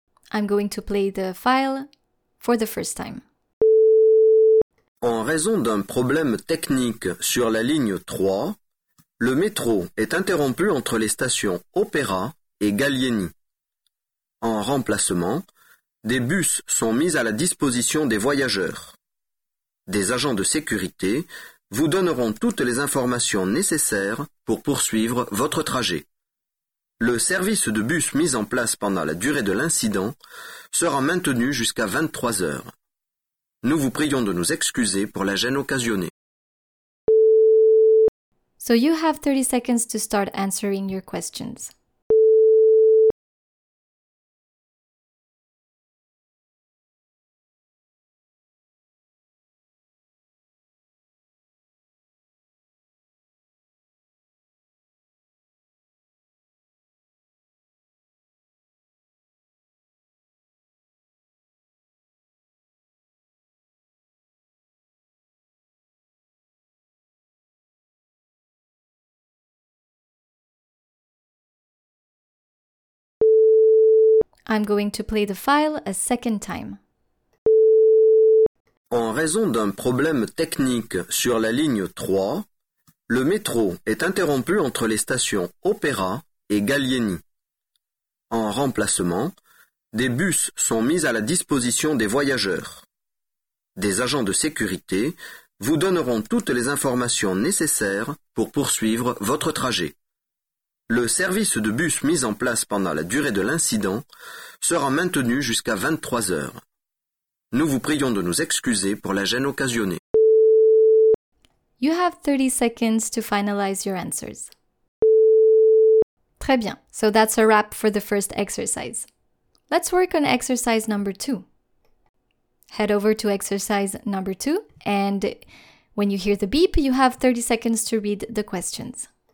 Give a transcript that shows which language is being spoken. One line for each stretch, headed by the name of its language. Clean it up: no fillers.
English: I'm going to play the file for the first time.
French: En raison d'un problème technique sur la ligne 3, le métro est interrompu entre les stations Opéra et Gallieni. En remplacement, des bus sont mis à la disposition des voyageurs. Des agents de sécurité vous donneront toutes les informations nécessaires pour poursuivre votre trajet. Le service de bus mis en place pendant la durée de l'incident sera maintenu jusqu'à 23 heures. Nous vous prions de nous excuser pour la gêne occasionnée.
English: So you have 30 seconds to start answering your questions. I'm going to play the file a second time.
French: En raison d'un problème technique sur la ligne 3, le métro est interrompu entre les stations Opéra et Gallieni. En remplacement, des bus sont mis à la disposition des voyageurs. Des agents de sécurité vous donneront toutes les informations nécessaires pour poursuivre votre trajet. Le service de bus mis en place pendant la durée de l'incident sera maintenu jusqu'à 23 heures. Nous vous prions de nous excuser pour la gêne occasionnée.
English: You have 30 seconds to finalize your answers.
French: Très bien.
English: So that's a wrap for the first exercise. Let's work on exercise number 2. Head over to exercise number 2 and when you hear the beep, you have 30 seconds to read the questions.